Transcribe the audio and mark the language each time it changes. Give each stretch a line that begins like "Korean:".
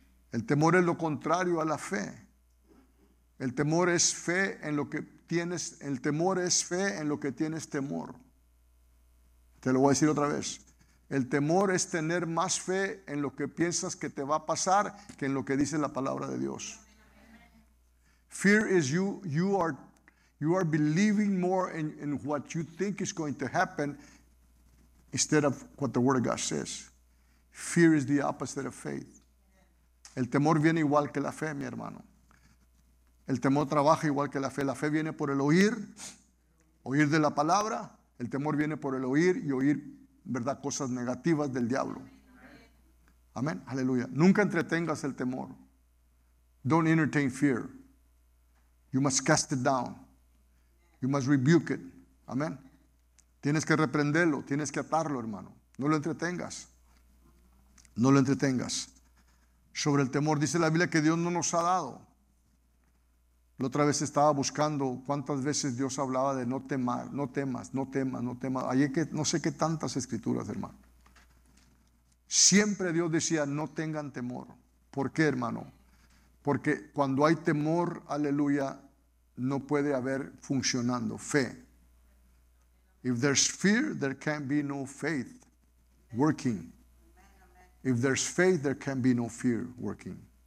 Spanish: El temor es lo contrario a la fe. El temor es fe en lo que tienes. El temor es fe en lo que tienes temor. Te lo voy a decir otra vez. El temor es tener más fe en lo que piensas que te va a pasar que en lo que dice la palabra de Dios.
English: Fear is you are believing more in what you think is going to happen instead of what the word of God says. Fear is the opposite of faith.
Spanish: El temor viene igual que la fe, mi hermano. El temor trabaja igual que la fe. La fe viene por el oír, oír de la palabra. El temor viene por el oír y oír, ¿verdad?, cosas negativas del diablo. Amén. Aleluya. Nunca entretengas el temor. Don't entertain fear.
English: You must cast it down. You must rebuke it. Amén.
Spanish: Tienes que reprenderlo, tienes que atarlo, hermano. No lo entretengas. No lo entretengas. Sobre el temor, dice la Biblia que Dios no nos ha dado. La otra vez estaba buscando cuántas veces Dios hablaba de no temar, no temas, no temas, no temas. Ahí que no sé qué tantas escrituras, hermano. Siempre Dios decía, no tengan temor. ¿Por qué, hermano? Porque cuando hay temor, aleluya, no puede haber funcionando fe.
English: If there's fear, there can be no faith working. If there's faith, there can be no fear working.